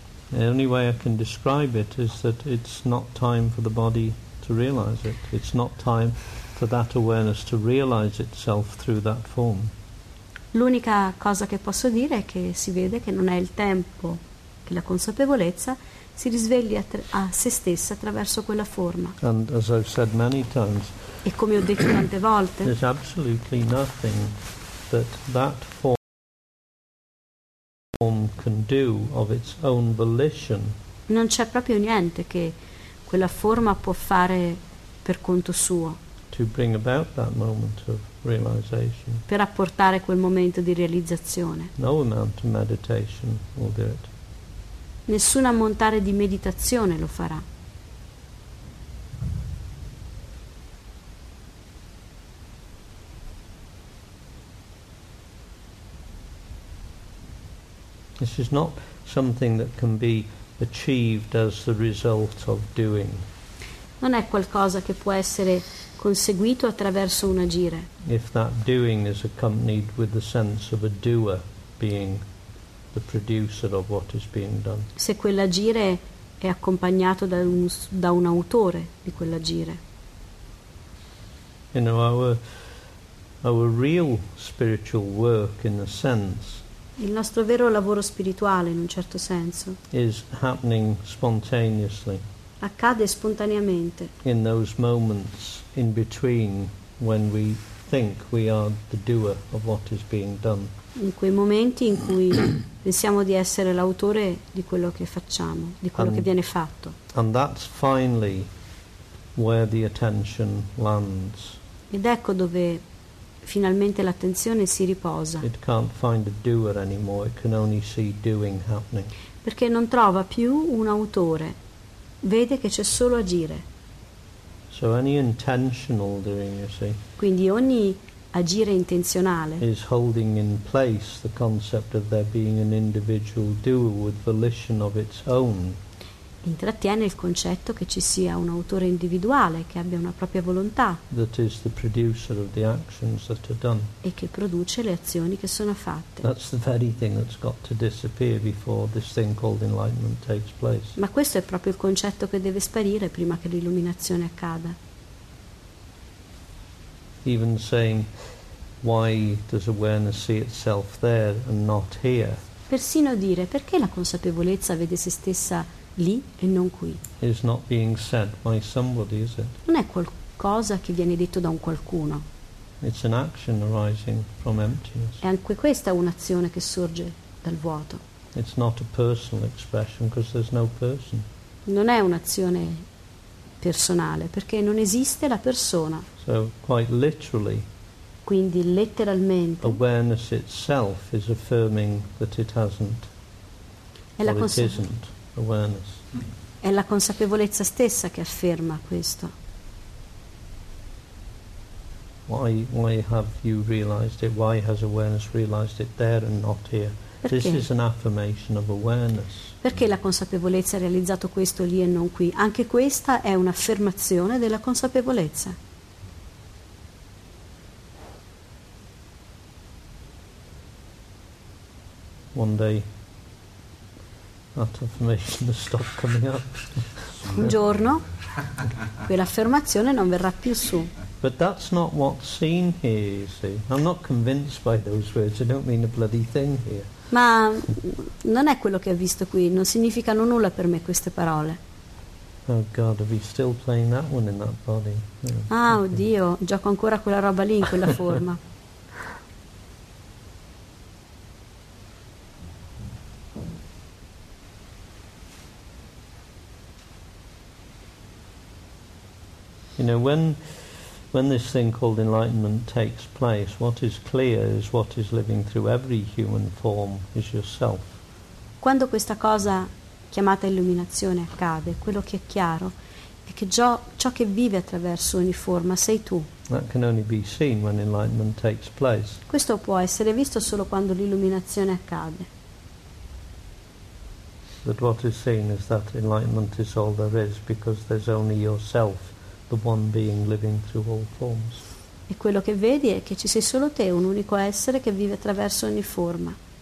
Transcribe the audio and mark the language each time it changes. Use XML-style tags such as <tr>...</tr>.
<en>The only way I can describe it is that it's not time for the body to realize it. It's not time for that awareness to realize itself through that form.</en> <it>L'unica cosa che posso dire è che si vede che non è il tempo che la consapevolezza si risvegli a se stessa attraverso quella forma.</it> <en>And as I've said many times,</en> <it>e come ho detto tante volte,</it> <en>there's absolutely nothing that form. form can do of its own volition.</en> <it>Non c'è proprio niente che quella forma può fare per conto suo.</it> <en>To bring about that moment of realization.</en> <it>Per apportare quel momento di realizzazione.</it> <en>No amount of meditation will do it.</en> <it>Nessun ammontare di meditazione lo farà.</it> <en>This is not something that can be achieved as the result of doing.</en> <it>Non è qualcosa che può essere conseguito attraverso un agire.</it> <en>If that doing is accompanied with the sense of a doer being the producer of what is being done.</en> <it>Se quell'agire è accompagnato da un autore di quell'agire.</it> <en>You know, our real spiritual work in a sense.</en> <it>Il nostro vero lavoro spirituale, in un certo senso,</it> <en>is happening spontaneously.</en> <it>Accade spontaneamente.</it> <en>In those moments in between when we think we are the doer of what is being done.</en> <it>In quei momenti in cui pensiamo di essere l'autore di quello che facciamo, di quello che viene fatto.</it> <en>And that's finally where the attention lands.</en> <it>Ed ecco dove finalmente l'attenzione si riposa.</it> <en>It can't find a doer anymore, it can only see doing happening.</en> <it>Perché non trova più un autore, vede che c'è solo agire.</it> <en>So any intentional doing, you see.</en> <it>Quindi ogni agire intenzionale</it> <en>is holding in place the concept of there being an individual doer with volition of its own.</en> <it>Intrattiene il concetto che ci sia un autore individuale che abbia una propria volontà.</it> <en>That is the producer of the actions that are done.</en> <it>E che produce le azioni che sono fatte.</it> <en>That's the very thing that's got to disappear before this thing called enlightenment takes place.</en> <it>Ma questo è proprio il concetto che deve sparire prima che l'illuminazione accada.</it> <en>Even saying why does awareness see itself there and not here?</en> <it>Persino dire perché la consapevolezza vede se stessa lì e non qui.</it> <en>Is not being said by somebody, is it?</en> <it>Non è qualcosa che viene detto da un qualcuno.</it> <en>It's an action arising from emptiness.</en> <it>È anche questa un'azione che sorge dal vuoto.</it> <en>It's not a personal expression because there's no person.</en> <it>Non è un'azione personale perché non esiste la persona.</it> <en>So quite literally.</en> <it>Quindi letteralmente.</it> <en>Awareness itself is affirming that it hasn't.</en> <it>È la</it> <en>isn't. Awareness.</en> <it>È la consapevolezza stessa che afferma questo.</it> <en>Why have you realized it? Why has awareness realized it there and not here?</en> <it>Perché?</it> <en>This is an affirmation of awareness.</en> <it>Perché la consapevolezza ha realizzato questo lì e non qui? Anche questa è un'affermazione della consapevolezza.</it> <en>One day. That affirmation will stop coming up.</en> <it>Un giorno quell'affermazione non verrà più su.</it> <en>But that's not what's seen here, you see. I'm not convinced by those words. I don't mean a bloody thing here.</en> <it>Ma non è quello che ha visto qui, non significano nulla per me queste parole.</it> <en>Oh God, are we still playing that one in that body?</en> <it>Ah, oddio, gioco ancora quella roba lì in quella forma.</it> <en>You know, when this thing called enlightenment takes place, what is clear is what is living through every human form is yourself.</en> <it>Quando questa cosa chiamata illuminazione accade, quello che è chiaro è che ciò che vive attraverso ogni forma sei tu.</it> <en>That can only be seen when enlightenment takes place.</en> <it>Questo può essere visto solo quando l'illuminazione accade.</it> <en>But what is seen is that enlightenment is all there is because there's only yourself. The one being living through all forms.</en> <it>E quello che vedi è che ci sei solo te, un unico essere che vive attraverso ogni forma.</it>